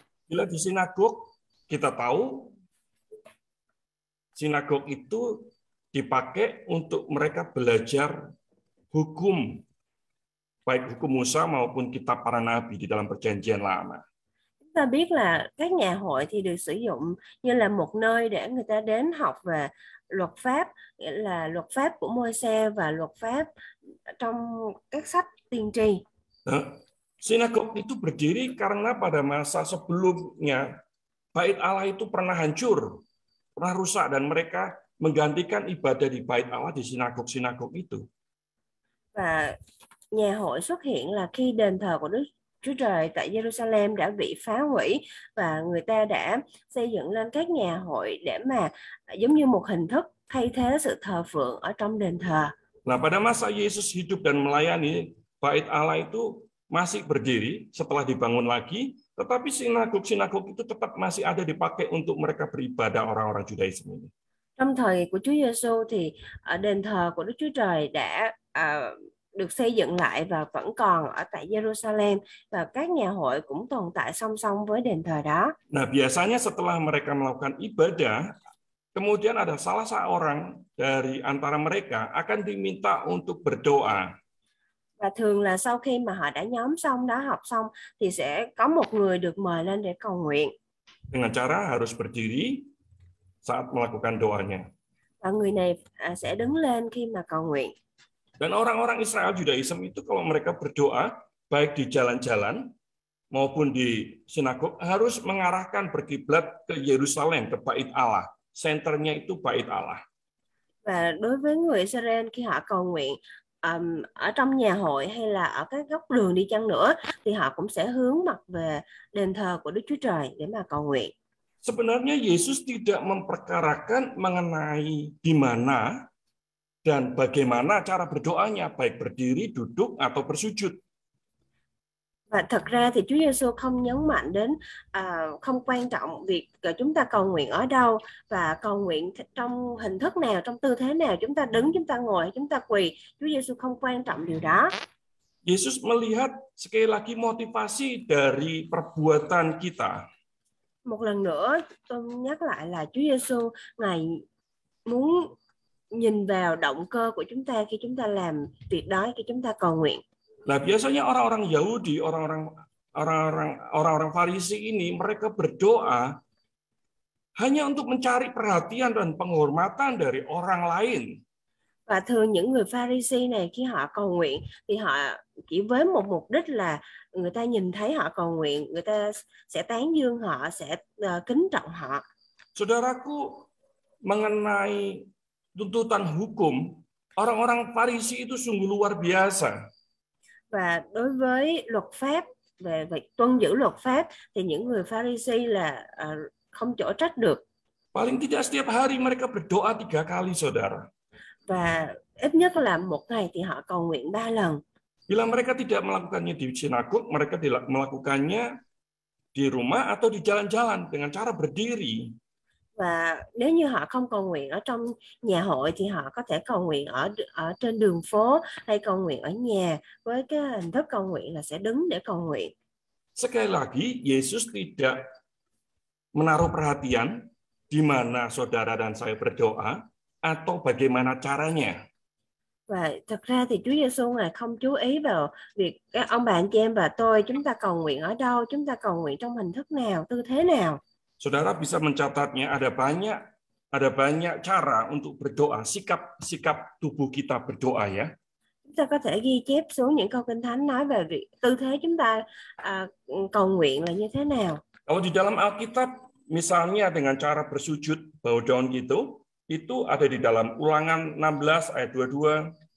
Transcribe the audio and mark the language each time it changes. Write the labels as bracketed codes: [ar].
[id] Bila di sinagog, kita tahu sinagog itu dipakai untuk mereka belajar hukum, baik hukum Musa maupun kitab para nabi di dalam perjanjian lama. [vi] Chúng ta biết là các nhà hội thì được sử dụng như là một nơi để người ta đến học về luật pháp, nghĩa là luật pháp của Môi-se và luật pháp trong các sách tiên tri. [id] Sinagog itu berdiri karena pada masa sebelumnya Bait Allah itu pernah hancur, pernah rusak dan mereka menggantikan ibadah di Bait Allah di sinagog-sinagog itu. [vi] Và nhà hội xuất hiện là khi đền thờ của Đức Chúa Trời tại Jerusalem đã bị phá hủy và người ta đã xây dựng lên các nhà hội để mà giống như một hình thức thay thế sự thờ phượng ở trong đền thờ. [id] Nah, pada masa Yesus hidup dan melayani, Bait Allah itu masih berdiri setelah dibangun lagi, tetapi sinagog-sinagog itu tetap masih ada dipakai untuk mereka beribadah orang-orang Judaism ini. [vi] Trong thời của Chúa Giêsu thì đền thờ của Đức Chúa Trời đã được xây dựng lại và vẫn còn ở tại Jerusalem và các nhà hội cũng tồn tại song song với đền thờ đó. [id] Nah, biasanya setelah mereka melakukan ibadah, kemudian ada salah seorang dari antara mereka akan diminta untuk berdoa. [vi] Và thường là sau khi mà họ đã nhóm xong, đã học xong thì sẽ có một người được mời lên để cầu nguyện. [id] Dengan cara harus berdiri saat melakukan doanya. [vi] Và người này sẽ đứng lên khi mà cầu nguyện. [id] Dan orang-orang Israel Judaism itu kalau mereka berdoa baik di jalan-jalan maupun di sinagog harus mengarahkan berkiblat ke Yerusalem, ke Bait Allah. Senternya itu Bait Allah. [vi] Và đối với người Israel khi họ cầu nguyện ở trong nhà hội hay là ở các góc đường đi chăng nữa thì họ cũng sẽ hướng mặt về đền thờ của Đức Chúa Trời để mà cầu nguyện. [id] Sebenarnya Yesus tidak memperkarakan mengenai di mana dan bagaimana cara berdoanya, baik berdiri, duduk, atau bersujud. [vi] Và thật ra thì Chúa Giêsu không nhấn mạnh đến không quan trọng việc chúng ta cầu nguyện ở đâu và cầu nguyện trong hình thức nào, trong tư thế nào, chúng ta đứng, chúng ta ngồi, chúng ta quỳ. Chúa Giêsu không quan trọng điều đó. [id] Yesus melihat sekali lagi motivasi dari perbuatan kita. [vi] Một lần nữa tôi nhắc lại là Chúa Giêsu Ngài muốn nhìn vào động cơ của chúng ta khi chúng ta làm việc đó, khi chúng ta cầu nguyện. [id] Nah, biasanya orang-orang Yahudi, orang-orang Farisi ini mereka berdoa hanya untuk mencari perhatian dan penghormatan dari orang lain. [vi] Và thường những người Pharisee này khi họ cầu nguyện thì họ chỉ với một mục đích là người ta nhìn thấy họ cầu nguyện, người ta sẽ tán dương họ, sẽ kính trọng họ. [id] Saudaraku, mengenai tuntutan hukum, orang-orang Farisi itu sungguh luar biasa. [vi] Và đối với luật pháp, về việc tuân giữ luật pháp, thì những người Farisi là không chỗ trách được. [id] Paling tidak setiap hari mereka berdoa 3 kali, saudara. [vi] Và ít nhất là một ngày thì họ cầu nguyện 3 lần. [id] Bila mereka tidak melakukannya di sinagog, mereka melakukannya di rumah atau di jalan-jalan dengan cara berdiri. [vi] Và nếu như họ không cầu nguyện ở trong nhà hội thì họ có thể cầu nguyện ở trên đường phố hay cầu nguyện ở nhà với cái hình thức cầu nguyện là sẽ đứng để cầu nguyện. [id] Sekali lagi, Yesus tidak menaruh perhatian di mana saudara dan saya berdoa atau bagaimana caranya. [vi] Và thật ra thì Chúa Giêsu ngài không chú ý vào việc các ông bà anh chị em và tôi chúng ta cầu nguyện ở đâu, chúng ta cầu nguyện trong hình thức nào, tư thế nào. [id] Saudara bisa mencatatnya, ada banyak cara untuk berdoa, sikap-sikap tubuh kita berdoa ya. [vi] Chúng ta có thể ghi chép xuống những câu kinh thánh nói về việc tư thế chúng ta cầu nguyện là như thế nào. [id] Kalau di dalam Alkitab, misalnya dengan cara bersujud [en] bow down [id] gitu, itu ada di dalam Ulangan 16 ayat 22.